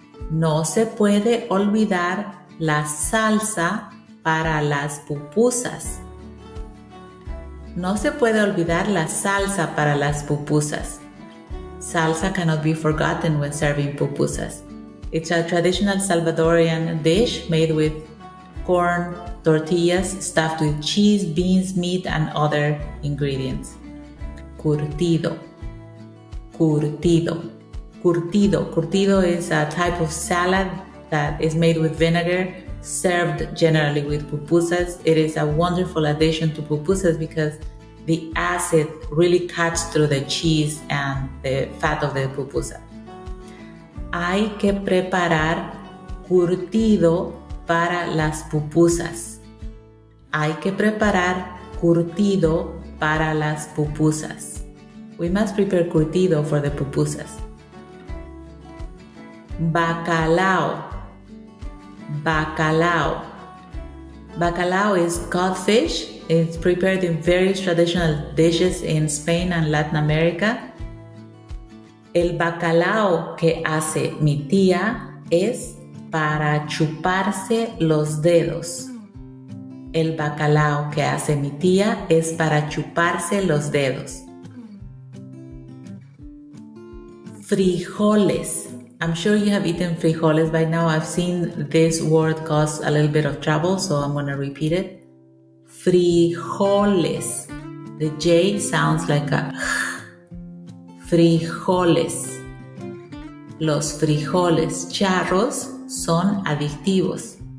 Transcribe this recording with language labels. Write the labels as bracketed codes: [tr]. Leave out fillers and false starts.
[es] No se puede olvidar la salsa para las pupusas. No se puede olvidar la salsa para las pupusas. [en] salsa cannot be forgotten when serving pupusas. It's a traditional Salvadorian dish made with corn tortillas stuffed with cheese, beans, meat, and other ingredients. Curtido. Curtido. Curtido. Curtido is a type of salad that is made with vinegar, served generally with pupusas. It is a wonderful addition to pupusas because the acid really cuts through the cheese and the fat of the pupusa. [es] Hay que preparar curtido para las pupusas. Hay que preparar curtido para las pupusas. [en] We must prepare curtido for the pupusas. [es] Bacalao. Bacalao. [en] Bacalao is codfish. It's prepared in various traditional dishes in Spain and Latin America. [es] El bacalao que hace mi tía es para chuparse los dedos. El bacalao que hace mi tía es para chuparse los dedos. Frijoles. [en] I'm sure you have eaten frijoles by now. I've seen this word cause a little bit of trouble, so I'm going to repeat it. Frijoles. The J sounds like a J. [es] Frijoles. Los frijoles charros son adictivos.